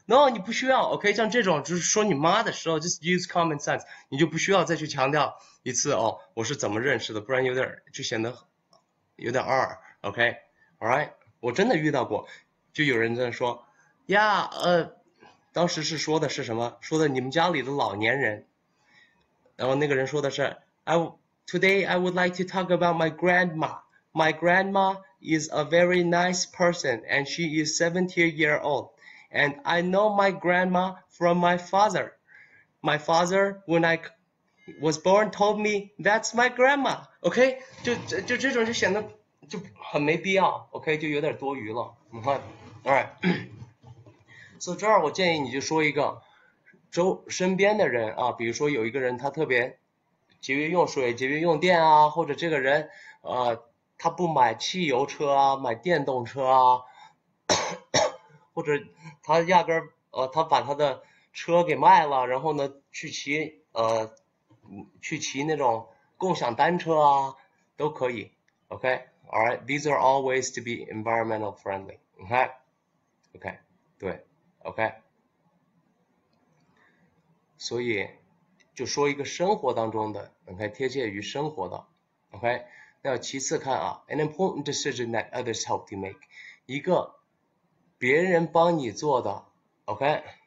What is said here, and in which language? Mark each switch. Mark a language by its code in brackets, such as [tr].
[zh] No， 你不需要。OK， 像这种就是说你妈的时候 ， [en] just use common sense， [zh] 你就不需要再去强调一次哦，我是怎么认识的，不然有点就显得有点二。 OK，All right。我真的遇到过，就有人在说呀，当时是说的是什么？说的你们家里的老年人。然后那个人说的是 [en] ，Today I would like to talk about my grandma. My grandma is a very nice person, and she is 70 years old. And I know my grandma from my father. My father, when I was born, told me that's my grandma. [zh] OK， 就这种就显得。就很没必要 ，OK， 就有点多余了。你看 ，Alright， 所以这儿我建议你就说一个周身边的人啊，比如说有一个人他特别节约用水、节约用电啊，或者这个人他不买汽油车啊，买电动车啊，或者他压根他把他的车给卖了，然后呢去骑那种共享单车啊，都可以 ，OK。 [en] Alright, these are all ways to be environmental friendly. [zh] Okay, 对 ，OK。所以，就说一个生活当中的 ，OK， 贴切于生活的 ，OK。那其次看啊 [en] ，an important decision that others help you make， [zh] 一个别人帮你做的 [en] ，OK。